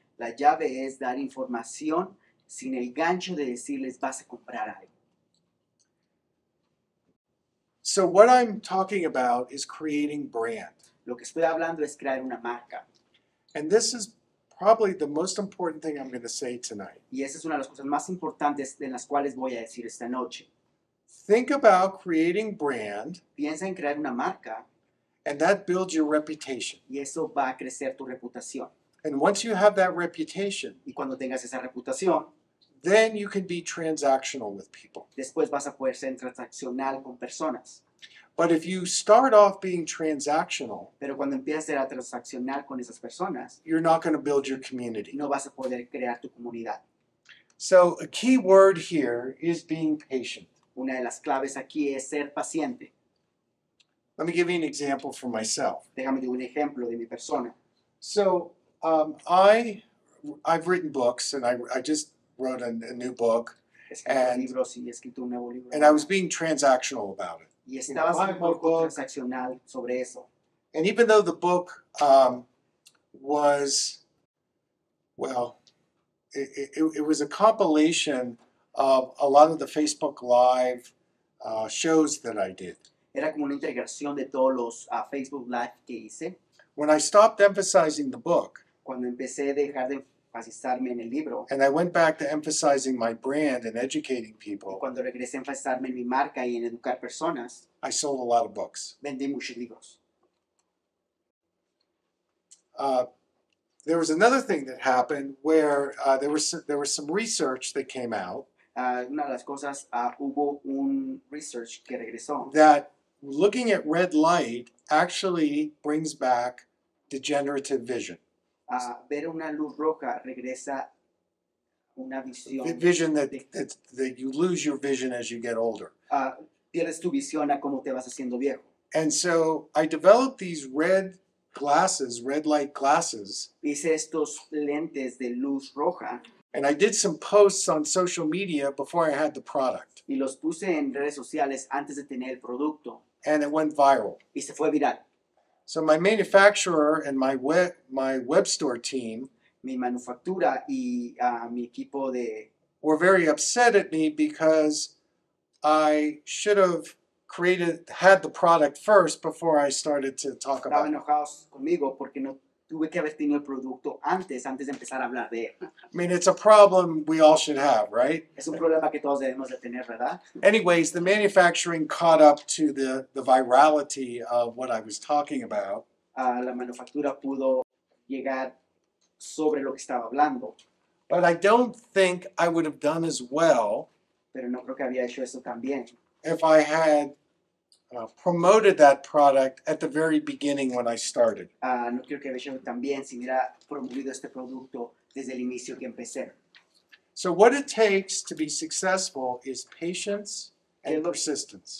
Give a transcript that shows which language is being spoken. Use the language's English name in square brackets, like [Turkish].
[Spanish] La llave es dar información sin el gancho de decirles vas a comprar algo. [English] So what I'm talking about is creating brand. [Spanish] Lo que estoy hablando es crear una marca. [English] And this is probably the most important thing I'm going to say tonight. [Spanish] Y esa es una de las cosas más importantes en las cuales voy a decir esta noche. [English] Think about creating brand. [Spanish] Piensa en crear una marca. [English] And that builds your reputation. [Spanish] Y eso va a crecer tu reputación. [English] And once you have that reputation, [Spanish] y cuando tengas esa reputación, [English] then you can be transactional with people. [Spanish] Después vas a poder ser transaccional con personas. [English] But if you start off being transactional, [Spanish] pero cuando empiezas a ser transaccional con esas personas, [English] you're not going to build your community. [Spanish] No vas a poder crear tu comunidad. [English] So a key word here is being patient. [Spanish] Una de las claves aquí es ser paciente. [English] Let me give you an example for myself. [Spanish] Déjame dar un ejemplo de mi persona. [English] So I've written books, and I just wrote a new book, and I was being transactional about it. [Spanish] Y estabas un poco transaccional sobre eso. [English] And even though the book was, well, it was a compilation of a lot of the Facebook Live shows that I did. [Spanish] Era como una integración de todos los Facebook Live que hice. [English] When I stopped emphasizing the book, [Spanish] cuando empecé a dejar de enfatizarme en el libro, [English] and I went back to emphasizing my brand and educating people, [Spanish] y cuando regresé a enfatizarme en mi marca y en educar personas, [English] I sold a lot of books. [Spanish] Vendí muchos libros. [English] There was another thing that happened where there was some research that came out. [Spanish] Una de las cosas, hubo un research que regresó. [English] That looking at red light actually brings back degenerative vision. [Spanish] Ver una luz roja regresa una visión. [English] The vision that you lose your vision as you get older. [Spanish] Pierdes tu visión a cómo te vas haciendo viejo. [English] And so I developed these red glasses, red light glasses. [Spanish] Hice estos lentes de luz roja. [English] And I did some posts on social media before I had the product. [Spanish] Y los puse en redes sociales antes de tener el producto. [English] And it went viral. [Spanish] Y se fue viral. [English] So my manufacturer and my web store team, [Spanish] mi manufactura y mi equipo de, [English] were very upset at me because I should have had the product first before I started to talk about it. [Spanish] Estaban enojados conmigo porque no tuve que haber tenido el producto antes de empezar a hablar de él. [English] I mean, it's a problem we all should have, right? [Spanish] Es un problema que todos debemos de tener, ¿verdad? [English] Anyways, the manufacturing caught up to the virality of what I was talking about. [Spanish] La manufactura pudo llegar sobre lo que estaba hablando. [English] But I don't think I would have done as well. [Spanish] Pero no creo que había hecho eso tan bien. [English] If I had promoted that product at the very beginning when I started. [Spanish] No creo que haya también si hubiera promovido este producto desde el inicio que empecé. [English] So what it takes to be successful is patience and persistence.